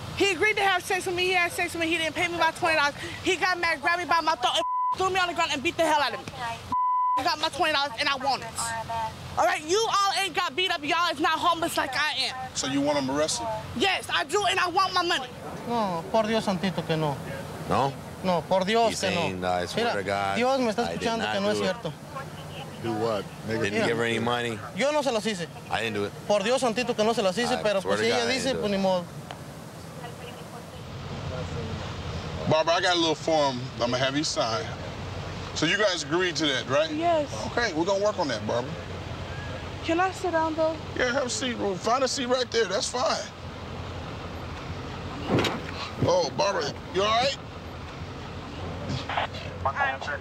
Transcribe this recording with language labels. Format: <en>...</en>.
<en>He agreed to have sex with me. He had sex with me. He didn't pay me my $20. He got mad, grabbed me by my throat, and threw me on the ground and beat the hell out of me. I got my $20 and I want it. All right, you all ain't got beat up. Y'all is not homeless like I am. So you want him arrested? Yes, I do, and I want my money.</en> <es>No, por Dios santito que no.</es> <en>No?</en> <es>No, por Dios que no.</es> <en>He's saying, I swear to God,</en> <es>Dios me está escuchando que no es cierto.</es> <en>Do what? Didn't give her any money?</en> <es>Yo no se las hice.</es> <en>I didn't do it.</en> <es>Por Dios santito que no se las hice, pero pues ella dice, pues ni modo.</es> <en>Barbara, I got a little form I'm going to have you sign. So you guys agreed to that, right? Yes. Okay, we're gonna work on that, Barbara. Can I sit down, though? Yeah, have a seat. We'll find a seat right there. That's fine. Oh, Barbara, you all right?</en>